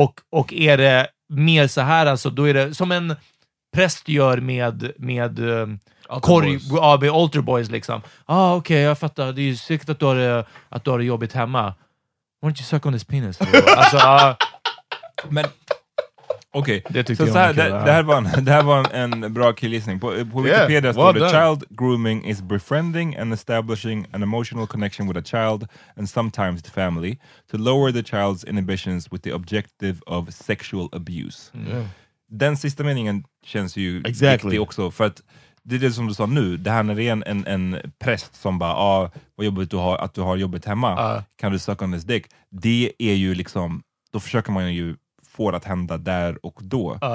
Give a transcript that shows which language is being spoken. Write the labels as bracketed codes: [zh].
[sv] Och är det mer så här, alltså, då är det som en präst gör med Alter Boys liksom. Okej, jag fattar. Det är ju säkert att du har det jobbigt hemma. [en] Why don't you suck on his penis? [sv] Alltså, men okej. [en] Okay. [sv] Så det här var en bra killisning. På Wikipedia står det: [en] "Child grooming is befriending and establishing an emotional connection with a child and sometimes the family to lower the child's inhibitions with the objective of sexual abuse." Yeah. [sv] Den sista meningen känns ju exactly viktig också, för att det är det som du sa nu. Det här när det är en präst som bara, vad jobbigt du har, att du har jobbet hemma. Kan du [en] suck on this dick? [sv] Det är ju liksom, då försöker man ju få det att hända där och då.